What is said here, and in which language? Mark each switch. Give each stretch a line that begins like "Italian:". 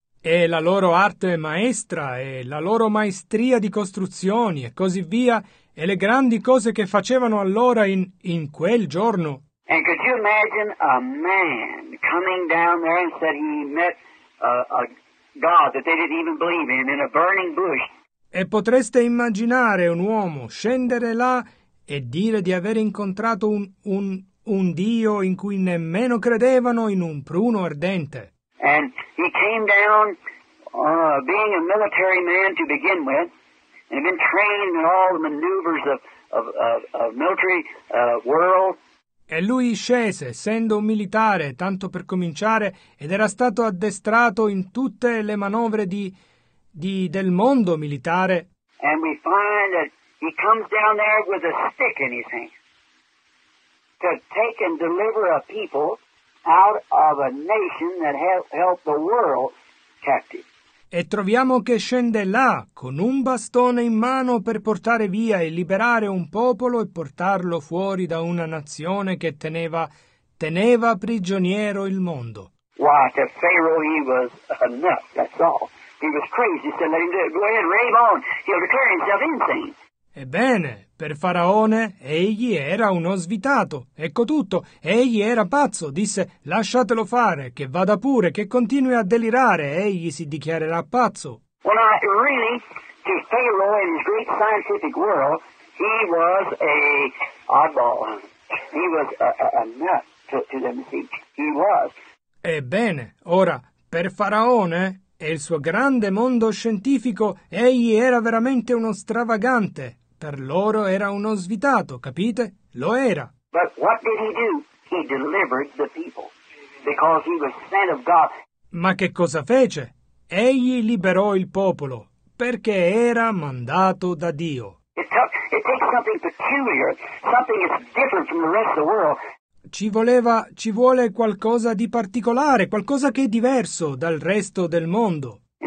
Italian: E la loro arte maestra e la loro maestria di costruzioni e così via e le grandi cose che facevano allora in quel giorno.
English: And could you imagine a man coming down there and said he met a God that they didn't even believe in a burning bush?
Italian: E potreste immaginare un uomo scendere là e dire di aver incontrato un Dio in cui nemmeno credevano in un pruno ardente?
English: And he came down being a military man to begin with, they've been trained in all the maneuvers of military world.
Italian: E lui scese, essendo un militare, tanto per cominciare, ed era stato addestrato in tutte le manovre del mondo militare.
English: And we find that he comes down there with a stick in his hand to take and deliver a people out of a nation that held the world captive.
Italian: E troviamo che scende là con un bastone in mano per portare via e liberare un popolo e portarlo fuori da una nazione che teneva prigioniero il mondo.
English: Why, to Pharaoh he was enough, that's all. He was crazy, so let him do it. Go ahead, rave on. He'll declare himself insane.
Italian: Ebbene, per Faraone egli era uno svitato. Ecco tutto, egli era pazzo, disse, lasciatelo fare, che vada pure, che continui a delirare, egli si dichiarerà pazzo.
English: Well, really, to Pharaoh in his great scientific world, he was a oddball. He was a nut to them, see. He was.
Italian: Ebbene, ora, per Faraone e il suo grande mondo scientifico, egli era veramente uno stravagante. Per loro era uno svitato, capite? Lo era.
English: But what did he do? He delivered the people because he was sent of God.
Italian: Ma che cosa fece? Egli liberò il popolo perché era mandato da Dio.
English: It takes something peculiar, something that's different from the rest of the world.
Italian: Ci vuole qualcosa di particolare, qualcosa che è diverso dal resto del mondo.